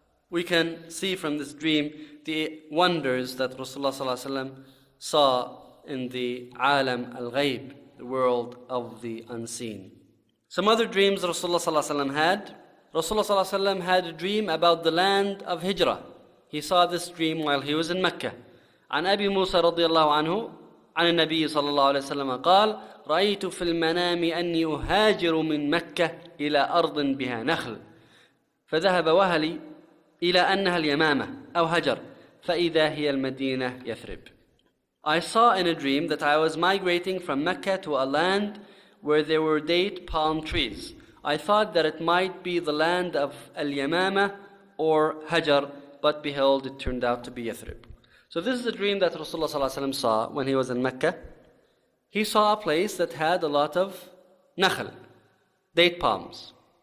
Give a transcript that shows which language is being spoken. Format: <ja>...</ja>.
<en>We can see from this dream the wonders that Rasulullah sallallahu alaihi wasallam saw in the alam al-ghayb, the world of the unseen. Some other dreams Rasulullah sallallahu alaihi wasallam had. Rasulullah sallallahu alaihi wasallam had a dream about the land of Hijrah. He saw this dream while he was in Mecca.</en> <ar>عن أبي موسى رضي الله عنه عن النبي صلى الله عليه وسلم قال رأيت في المنام أني أهاجر من مكة إلى أرض بها نخل فذهب وهلي إلى أنها اليمامة أو هجر فإذا هي المدينة يثرب.</ar> <en>I saw in a dream that I was migrating from Mecca to a land where there were date palm trees. I thought that it might be the land of اليمامة or هجر, but behold, it turned out to be Yathrib. So this is a dream that Rasulullah sallallahu alaihi wasallam saw when he was in Mecca. He saw a place that had a lot of nakhl, date palms.</en>